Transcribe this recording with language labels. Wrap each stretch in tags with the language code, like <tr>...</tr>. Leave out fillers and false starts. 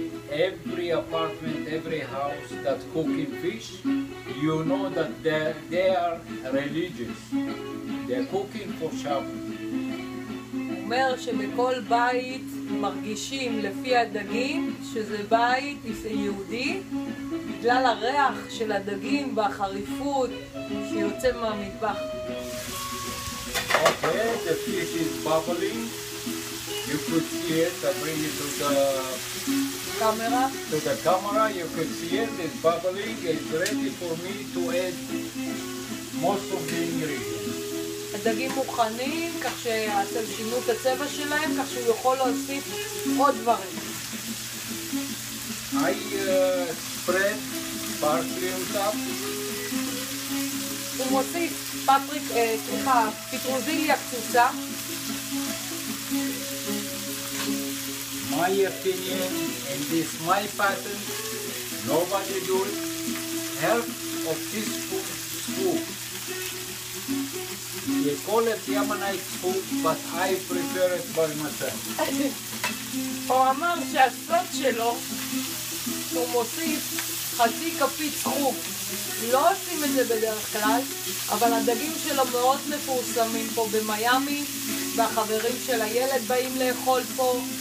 <en>Every apartment, every house that cooking fish, you know that they are religious. They're cooking for Shabbat.</en> <he>אומר שבכל בית מרגישים לפי הדגים שזה בית יהודי, בגלל הריח של הדגים והחריפות שיוצא מהמטבח.</he> <en>Okay, the fish is bubbling. You could see it. I bring it to the camera. To the camera, you could see it. It's bubbling. It's ready for me to add most of the ingredients.</en> <he>הדגים מוכנים, כך שאתם שינו את הצבע שלהם, כך שהוא יכול להוסיף עוד דברים.</he> <en>I spread parsley on top.</en> <he>הוא מוסיף פטרוזיליה קצוצה.</he> <en>My opinion, and this is my pattern, nobody do it, help of this spoon. They call it Yemenite spoon, but I prefer it by myself.</en> <he>הוא אמר שהסוד שלו, הוא מוסיף חצי כפית סחוק. לא עושים את זה בדרך כלל, אבל הדגים שלו מאוד מפורסמים פה במיאמי, והחברים של הילד באים לאכול פה.</he>